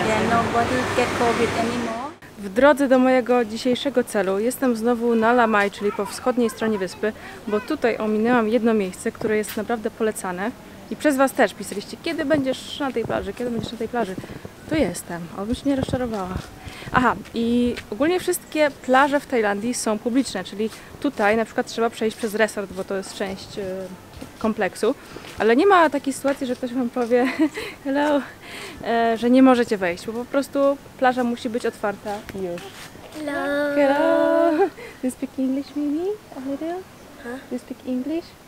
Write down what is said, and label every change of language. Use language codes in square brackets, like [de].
[en] Nobody get COVID anymore. [pl] W drodze do mojego dzisiejszego celu jestem znowu na Lamai, czyli po wschodniej stronie wyspy, bo tutaj ominęłam jedno miejsce, które jest naprawdę polecane. I przez Was też pisaliście, kiedy będziesz na tej plaży, kiedy będziesz na tej plaży. Tu jestem, obyś nie rozczarowała. Aha, i ogólnie wszystkie plaże w Tajlandii są publiczne, czyli tutaj na przykład trzeba przejść przez resort, bo to jest część kompleksu. Ale nie ma takiej sytuacji, że ktoś Wam powie, [en] hello, [pl] że nie możecie wejść, bo po prostu plaża musi być otwarta już. [en] Hello. Hello. Do you speak English maybe? A little? Huh? Do you speak English?